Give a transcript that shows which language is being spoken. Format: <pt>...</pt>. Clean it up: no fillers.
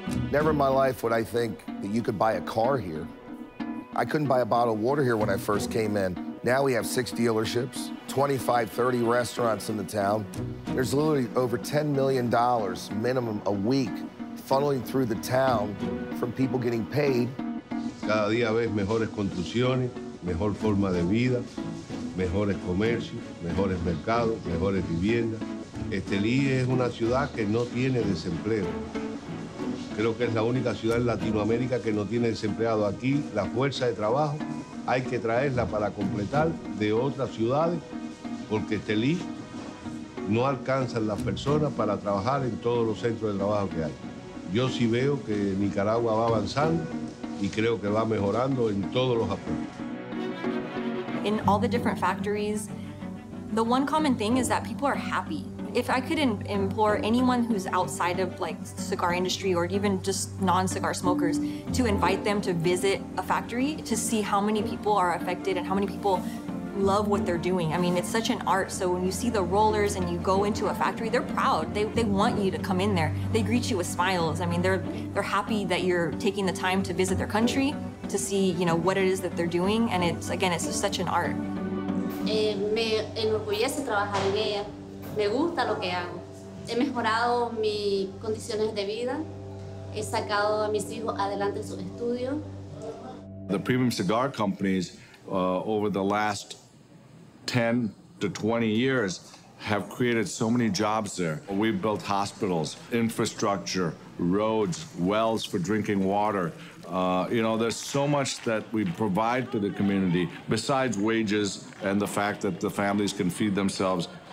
<en>Never in my life would I think that you could buy a car here. I couldn't buy a bottle of water here when I first came in. Now we have 6 dealerships, 25, 30 restaurants in the town. There's literally over $10 million minimum a week funneling through the town from people getting paid.</en> <es>Cada día ves mejores construcciones, mejor forma de vida, mejores comercios, mejores mercados, mejores viviendas. Estelí es una ciudad que no tiene desempleo. Creo que es la única ciudad en Latinoamérica que no tiene desempleado. Aquí la fuerza de trabajo hay que traerla para completar de otras ciudades, porque Estelí no alcanzan las personas para trabajar en todos los centros de trabajo que hay. Yo sí veo que Nicaragua va avanzando y creo que va mejorando en todos los aspectos.</es> <en>In all the different factories, the one common thing is that people are happy. If I could implore anyone who's outside of like cigar industry or even just non-cigar smokers to invite them to visit a factory to see how many people are affected and how many people love what they're doing. I mean, it's such an art. So when you see the rollers and you go into a factory, they're proud. They want you to come in there. They greet you with smiles. I mean, they're happy that you're taking the time to visit their country to see, you know, what it is that they're doing. And it's, again, it's just such an art.</en> <es>Me enorgullece trabajar en ella. Me gusta lo que hago. He mejorado mis condiciones de vida. He sacado a mis hijos adelante en sus estudios.</es> <en>The premium cigar companies over the last 10 to 20 years have created so many jobs there. We've built hospitals, infrastructure, roads, wells for drinking water. You know, there's so much that we provide to the community besides wages and the fact that the families can feed themselves.</en>